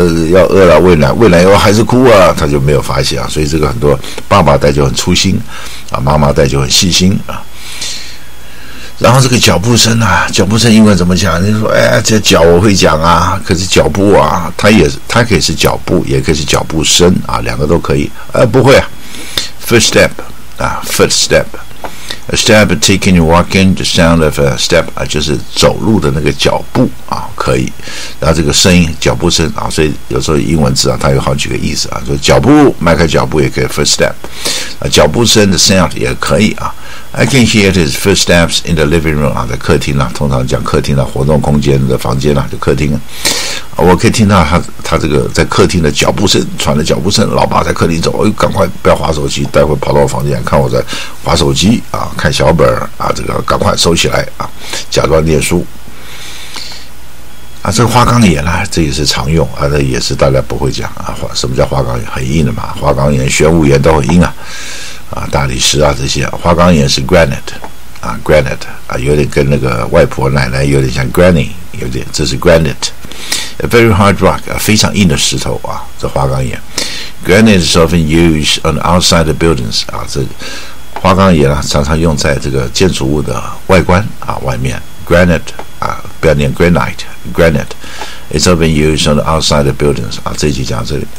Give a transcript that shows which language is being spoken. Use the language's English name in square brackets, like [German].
[Chinese] 要饿了喂奶以后还是哭啊，他就没有发现啊，所以这个很多爸爸带就很粗心，啊妈妈带就很细心啊。然后这个脚步声啊，脚步声英文怎么讲？你说，哎，这脚我会讲啊，可是脚步啊，它可以是脚步，也可以是脚步声啊，两个都可以。不会啊 [English] ，footstep 啊 ，footstep，a step taken you walking，the sound of a step 啊， [Chinese] 就是走路的那个脚步啊，可以。然后这个声音，脚步声啊，所以有时候英文字啊，它有好几个意思啊，说脚步迈开脚步也可以 footstep 啊，脚步声的 sound 也可以啊。 [English] I can hear his footsteps in the living room [Chinese] 啊，在客厅啊，通常讲客厅啊，活动空间的房间啊，就客厅啊，我可以听到他这个在客厅的脚步声，喘的脚步声，老爸在客厅走，哎，赶快不要滑手机，待会跑到我房间看我在滑手机啊，看小本啊，这个赶快收起来啊，假装念书啊。这个花岗岩啊，这也是常用啊，这也是大家不会讲啊，什么叫花岗岩？很硬的嘛，花岗岩、玄武岩都很硬啊。啊，大理石啊，这些花岗岩是 granite 啊 ，granite 啊，有点跟那个外婆奶奶有点像 granny， 有点这是 granite， [English] a very hard rock [Chinese] 啊，非常硬的石头啊，这花岗岩。 [English] granite is often used on outside the buildings 啊， [Chinese] 这花岗岩啊，常常用在这个建筑物的外观啊，外面。 [English] granite 啊，不要念 granite，granite is often used on outside the buildings 啊， [Chinese] 这一集讲这里。